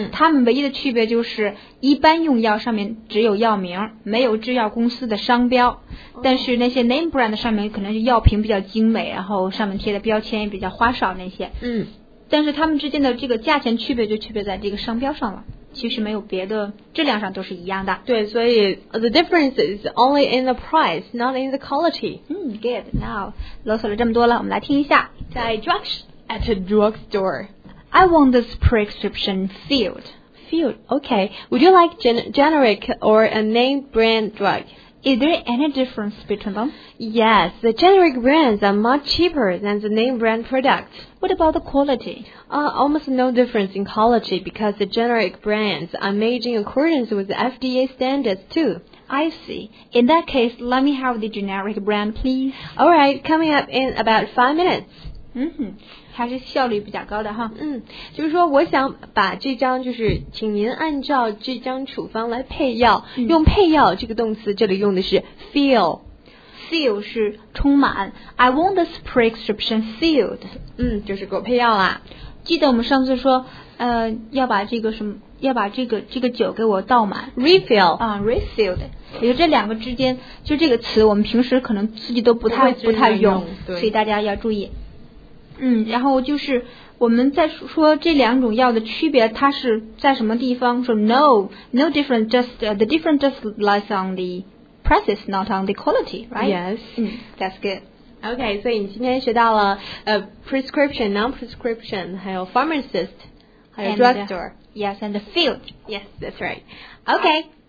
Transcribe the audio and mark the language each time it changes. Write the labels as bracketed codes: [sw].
[zh] 他们唯一的区别就是一般用药上面只有药名，没有制药公司的商标。但是那些 name brand 上面可能是药瓶比较精美，然后上面贴的标签也比较花哨那些。嗯，但是他们之间的这个价钱区别就区别在这个商标上了。其实没有别的，质量上都是一样的。对，所以 [en] the difference is only in the price, not in the quality. 嗯 ，good. [zh] Now 啰嗦了这么多了，我们来听一下。 [en] 在 at a drugstore, I want this prescription filled. Filled. Okay. Would you like generic or a name brand drug? Is there any difference between them? Yes, the generic brands are much cheaper than the name brand products. What about the quality? Almost no difference in quality because the generic brands are made in accordance with the FDA standards too. I see. In that case, let me have the generic brand, please. All right, coming up in about 5 minutes. [zh] 还是效率比较高的哈。嗯，就是说我想把这张就是请您按照这张处方来配药、用配药这个动词这里用的是 fill。 [en] Fill [zh] 是充满。 [en] I want this prescription filled。 [zh] 嗯，就是给我配药啦。记得我们上次说要把这个什么要把这个酒给我倒满。 [en] Refill。 [zh] 啊 ,refill 的。也就这两个之间就这个词我们平时可能自己都不太用，所以大家要注意。嗯，然后就是我们在说这两种药的区别，它是在什么地方？ [en] 说 no difference, just the difference just lies on the prices, not on the quality, right? Yes. That's good. Okay, [zh] 所以你今天学到了prescription, non-prescription, 还有 pharmacist, 还有 drugstore. [en] Yes, and the field. Yes, that's right. Okay.